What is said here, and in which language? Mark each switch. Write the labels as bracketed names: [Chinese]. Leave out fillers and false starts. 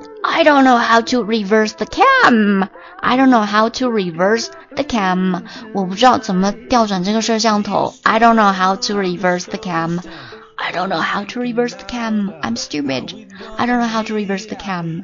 [English] I don't know how to reverse the cam. I don't know how to reverse the cam. [Chinese] 我不知道怎么调转这个摄像头。 [English] I don't know how to reverse the cam. I don't know how to reverse the cam. I'm stupid. I don't know how to reverse the cam.